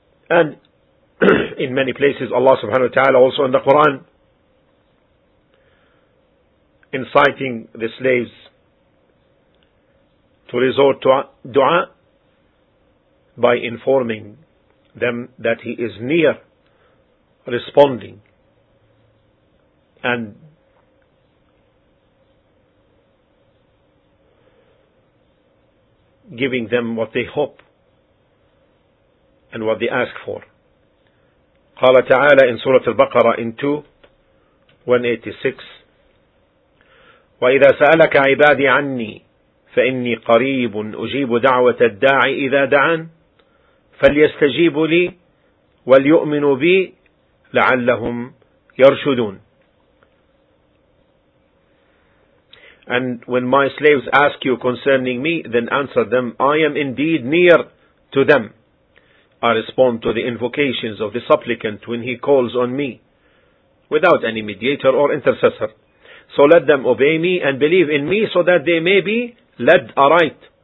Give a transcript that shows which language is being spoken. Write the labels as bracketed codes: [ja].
[en] And in many places Allah subhanahu wa ta'ala also in the Quran inciting the slaves to resort to dua by informing them that He is near responding and giving them what they hope and what they ask for. [ar] قال تعالى [en] in Surah Al-Baqarah in 2:186 [ar] وإذا سألك عبادي عني فإني قريب أجيب دعوة الداعي إذا دعان فليستجيبوا لي وليؤمنوا بي لعلهم يرشدون. [en] And when my slaves ask you concerning me, then answer them, I am indeed near to them. I respond to the invocations of the supplicant when he calls on me, without any mediator or intercessor. So let them obey me and believe in me so that they may be led aright.